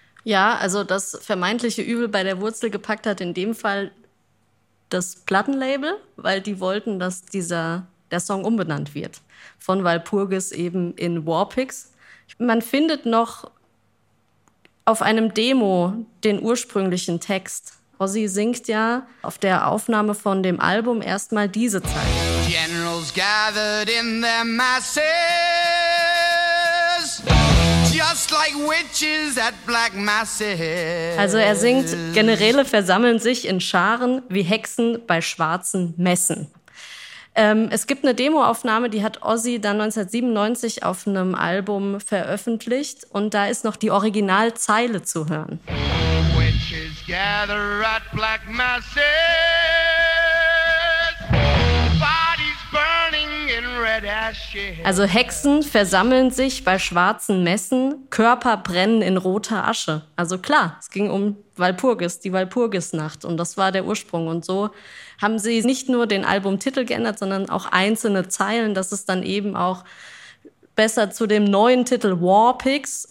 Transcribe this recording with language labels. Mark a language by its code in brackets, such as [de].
[de] Ja, also das vermeintliche Übel bei der Wurzel gepackt hat in dem Fall das Plattenlabel, weil die wollten, dass dieser der Song umbenannt wird. Von Walpurgis eben in Warpigs. Man findet noch auf einem Demo den ursprünglichen Text. Ozzy singt ja auf der Aufnahme von dem Album erstmal diese Zeile. [en] Generals gathered in their masses, just like witches at black masses. [de] Also er singt, Generäle versammeln sich in Scharen wie Hexen bei schwarzen Messen. Es gibt eine Demoaufnahme, die hat Ozzy dann 1997 auf einem Album veröffentlicht. Und da ist noch die Originalzeile zu hören. [en] Witches gather at black masses, bodies burning in red ashes. [de] Also Hexen versammeln sich bei schwarzen Messen, Körper brennen in roter Asche. Also klar, es ging um Walpurgis, die Walpurgisnacht. Und das war der Ursprung. Und so haben sie nicht nur den Albumtitel geändert, sondern auch einzelne Zeilen, dass es dann eben auch besser zu dem neuen Titel Warpigs.